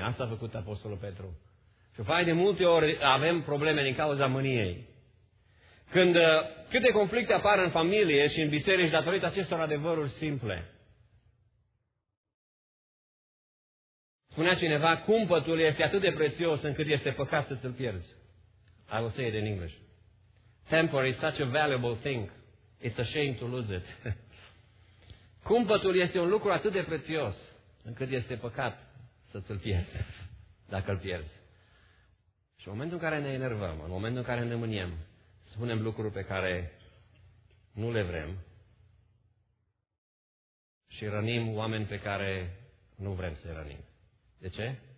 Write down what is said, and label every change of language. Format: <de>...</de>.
<ro>Asta a făcut Apostolul Petru. Și fai de multe ori avem probleme din cauza mâniei. Când câte conflicte apar în familie și în biserici datorită acestor adevăruri simple. Spunea cineva, cumpătul este atât de prețios încât este păcat să ți-l pierzi.</ro> <en>I will say it in English. Temper is such a valuable thing. It's a shame to lose it.</en> <ro>Cumpătul este un lucru atât de prețios încât este păcat să ți-l pierzi, dacă îl pierzi. Și în momentul în care ne enervăm, în momentul în care ne mâniem, spunem lucruri pe care nu le vrem și rănim oameni pe care nu vrem să-i rănim. De ce?</ro>